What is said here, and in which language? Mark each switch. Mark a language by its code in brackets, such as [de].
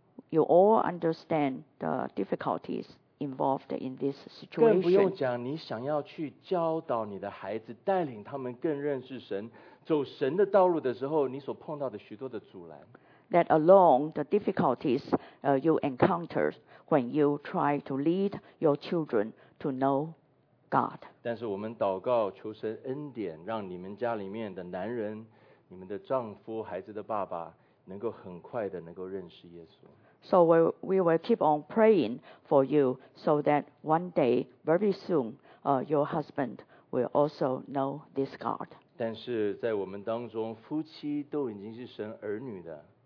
[en] You all understand the difficulties involved in this situation. [zh] 更不用讲，你想要去教导你的孩子，带领他们更认识神，走神的道路的时候，你所碰到的许多的阻拦。 [en] That alone, the difficulties you encounter when you try to lead your children to knowGod. [zh] 但是我们祷告求神恩典，让你们家里面的男人，你们的丈夫，孩子的爸爸，能够很快的能够认识耶稣。 [en] So we will keep on praying for you so that one day, very soon, your husband will also know this God. [zh] 但是在我们当中，夫妻都已经是神儿女的。